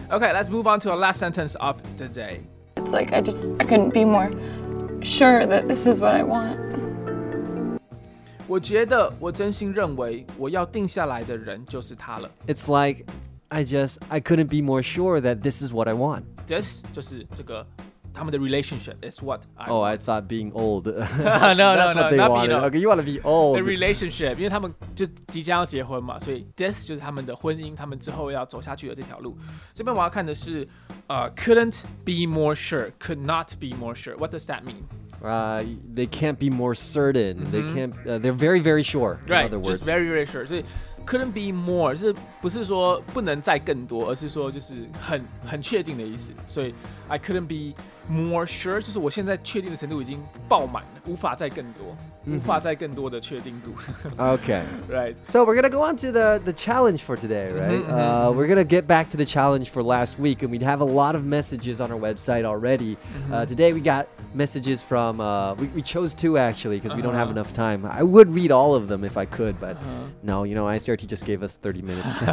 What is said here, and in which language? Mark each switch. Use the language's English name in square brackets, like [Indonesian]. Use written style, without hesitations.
[English] Okay, let's move on to our last sentence of the day. It's like I couldn't be more sure that this is what I want. [Chinese] 我觉得我真心认为我要定下来的人就是他了。 [English] It's like, I couldn't be more sure that this is what I want. This [Chinese] 就是这个他们的 [English] relationship is what I want. Oh, I thought being old. No, that's what they wanted. Okay, you want to be old. The relationship, [Chinese] 因为他们就即将要结婚嘛，所以 this 就是他们的婚姻，他们之后要走下去的这条路。这边我要看的是 [English] couldn't be more sure, could not be more sure. What does that mean? They can't be more certain.、Mm-hmm. They can't. They're very, very sure. Right. In other words. Just very, very sure. So, couldn't be more. [Chinese] 是不是说不能再更多，而是说就是很确定的意思。 [English] 所以 I couldn't be more sure. [Chinese] 就是我现在确定的程度已经爆满了，无法再更多， mm-hmm. 无法再更多的确定度。 [English] Okay. Right. So we're gonna go on to the challenge for today, right?、Mm-hmm. We're gonna get back to the challenge for last week, and we have a lot of messages on our website already.、Mm-hmm. Today we got. Messages from, we chose two actually because、uh-huh. we don't have enough time. I would read all of them if I could, but、uh-huh. no, you know, ICRT just gave us 30 minutes.